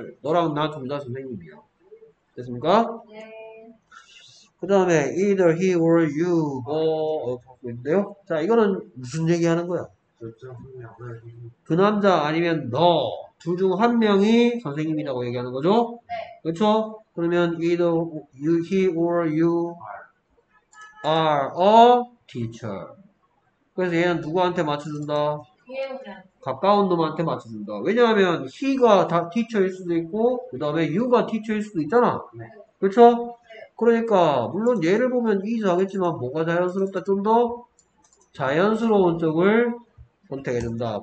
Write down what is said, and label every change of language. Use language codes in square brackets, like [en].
[ko] 너랑 나, 둘 다 선생님이야. 됐습니까? 네. 그 다음에, [en] either he or you, [ko] 뭐, 인데요? 자, 이거는 무슨 얘기 하는 거야? 그 남자 아니면 너, 둘 중 한 명이 선생님이라고 얘기하는 거죠? 네. 그렇죠? 그러면, [en] either you, he or you are a teacher. [ko] 그래서 얘는 누구한테 맞춰준다? 가까운 놈한테 맞춰준다. 왜냐하면 he가 다 teacher일 수도 있고 그 다음에 you가 teacher일 수도 있잖아. 네. 그렇죠? 그러니까 물론 얘를 보면 이해도 하겠지만 뭐가 자연스럽다. 좀 더 자연스러운 쪽을 선택해 준다.